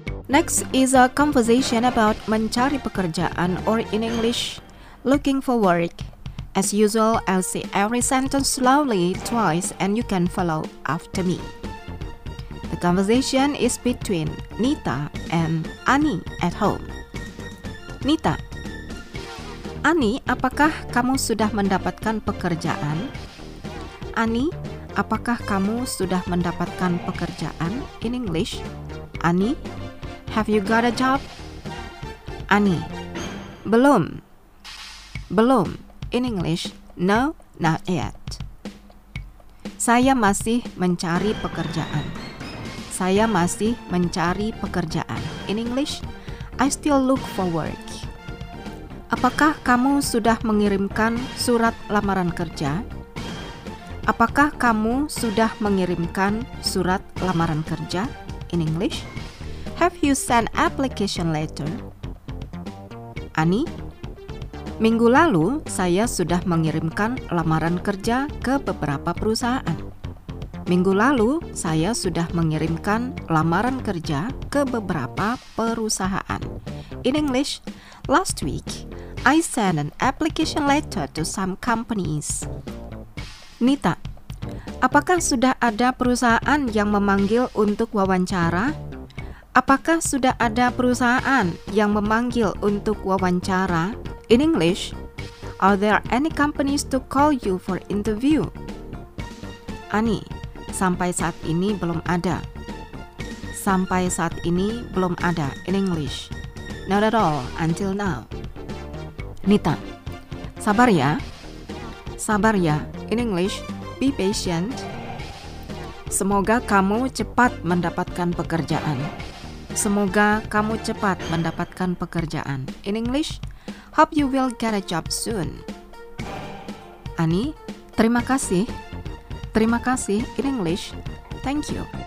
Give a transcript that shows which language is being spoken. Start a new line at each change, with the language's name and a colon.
English: Next is a conversation about
Indonesian: mencari pekerjaan,
English: or in English, looking for work. As usual, I'll say every sentence slowly twice and you can follow after me. The conversation is between Nita and Ani at home. Nita.
Indonesian: Ani, apakah kamu sudah mendapatkan pekerjaan? Ani, apakah kamu sudah mendapatkan pekerjaan?
English: In English, Ani, have you got a job?
Indonesian: Ani, belum. Belum.
English: In English, no, not yet.
Indonesian: Saya masih mencari pekerjaan. Saya masih mencari pekerjaan.
English: In English, I still look for work.
Indonesian: Apakah kamu sudah mengirimkan surat lamaran kerja? Apakah kamu sudah mengirimkan surat lamaran kerja?
English: In English, have you sent application letter?
Indonesian: Ani, minggu lalu saya sudah mengirimkan lamaran kerja ke beberapa perusahaan. Minggu lalu saya sudah mengirimkan lamaran kerja ke beberapa perusahaan.
English: In English, last week I sent an application letter to some companies.
Indonesian: Nita, apakah sudah ada perusahaan yang memanggil untuk wawancara? Apakah sudah ada perusahaan yang memanggil untuk wawancara?
English: In English, are there any companies to call you for interview?
Indonesian: Ani, sampai saat ini belum ada. Sampai saat ini belum ada.
English: In English, not at all until now.
Indonesian: Nita, sabar ya. Sabar ya.
English: In English, be patient.
Indonesian: Semoga kamu cepat mendapatkan pekerjaan. Semoga kamu cepat mendapatkan pekerjaan.
English: In English, hope you will get a job soon. Ani,
Indonesian: terima kasih. Terima kasih.
English: In English, thank you.